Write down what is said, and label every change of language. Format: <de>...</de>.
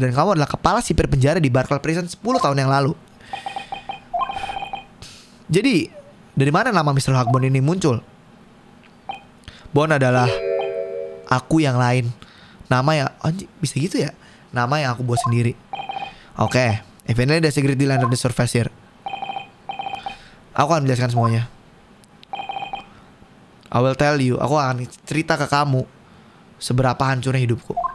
<id>Dan kamu adalah kepala sipir penjara di Barclay Prison 10 tahun yang lalu. Jadi, dari mana nama Mr. Hagbon ini muncul? Bon adalah aku yang lain. Nama ya, anjir, bisa gitu ya? Nama yang aku buat sendiri. Oke, okay.</id> <en>Eventually the secret deal under the surface here.</en> <id>Aku akan menjelaskan semuanya.</id> <en>I will tell you,</en> <id>aku akan cerita ke kamu seberapa hancurnya hidupku.</id>